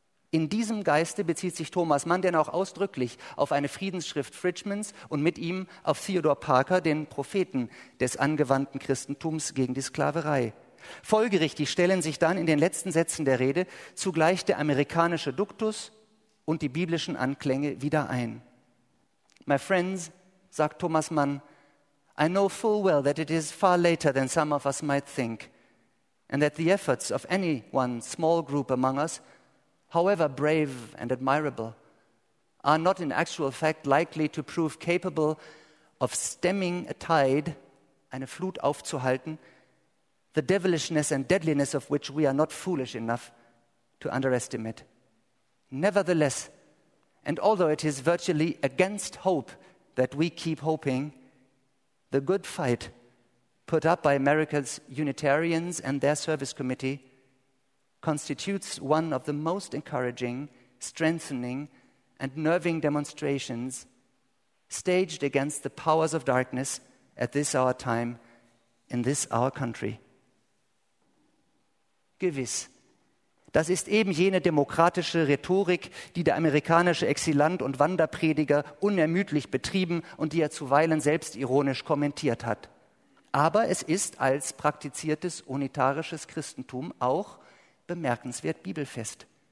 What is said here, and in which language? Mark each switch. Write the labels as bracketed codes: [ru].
[de] In diesem Geiste bezieht sich Thomas Mann denn auch ausdrücklich auf eine Friedensschrift Fridgmans und mit ihm auf Theodore Parker, den Propheten des angewandten Christentums gegen die Sklaverei. Folgerichtig stellen sich dann in den letzten Sätzen der Rede zugleich der amerikanische Duktus und die biblischen Anklänge wieder ein. [en] My friends, [de] sagt Thomas Mann, [en] I know full well that it is far later than some of us might think and that the efforts of any one small group among us, however brave and admirable, are not in actual fact likely to prove capable of stemming a tide, [de] eine Flut aufzuhalten, [en] the devilishness and deadliness of which we are not foolish enough to underestimate. Nevertheless, and although it is virtually against hope that we keep hoping, the good fight put up by America's Unitarians and their service committee constitutes one of the most encouraging, strengthening, and nerving demonstrations staged against the powers of darkness at this our time, in this our country. [de] Gewiss, das ist eben jene demokratische Rhetorik, die der amerikanische Exilant und Wanderprediger unermüdlich betrieben und die er zuweilen selbstironisch kommentiert hat. Aber es ist als praktiziertes unitarisches Christentum auch bemerkenswert bibelfest.